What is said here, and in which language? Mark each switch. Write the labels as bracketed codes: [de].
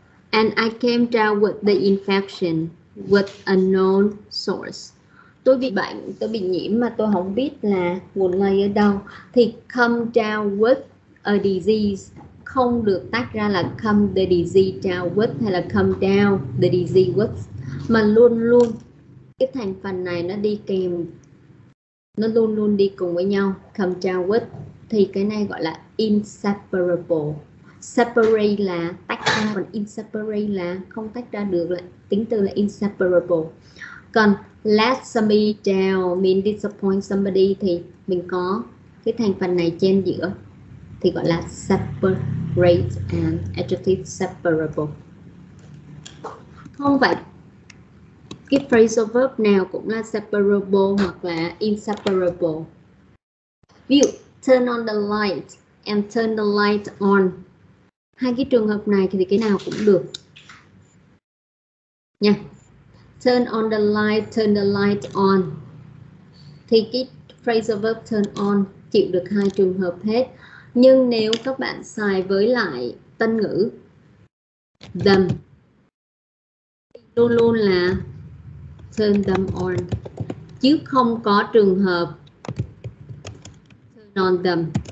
[en] And I came down with the infection with a known source. [vi] Tôi bị bệnh, tôi bị nhiễm mà tôi không biết là nguồn lây ở đâu. Thì [en] come down with a disease [vi] không được tách ra là [en] come the disease down with [vi] hay là [en] come down the disease with. [vi] Mà luôn luôn cái thành phần này nó đi kèm, nó luôn luôn đi cùng với nhau. [en] Come down with [vi] thì cái này gọi là inseparable. Separate là tách ra, còn inseparate là không tách ra được, là tính từ là inseparable. Còn [en] let somebody down mean disappoint somebody [vi] thì mình có cái thành phần này trên giữa thì gọi là [en] separate and adjective separable. [vi] Không phải cái phrasal verb nào cũng là separable hoặc là inseparable. Ví dụ [en] turn on the light and turn the light on. [vi] Hai cái trường hợp này thì cái nào cũng được. Nha. [en] Turn on the light, turn the light on. [vi] Thì cái phrasal verb turn on chịu được hai trường hợp hết. Nhưng nếu các bạn xài với lại tân ngữ them, luôn luôn là [en] turn them on, [vi] chứ không có trường hợp [en] turn on them.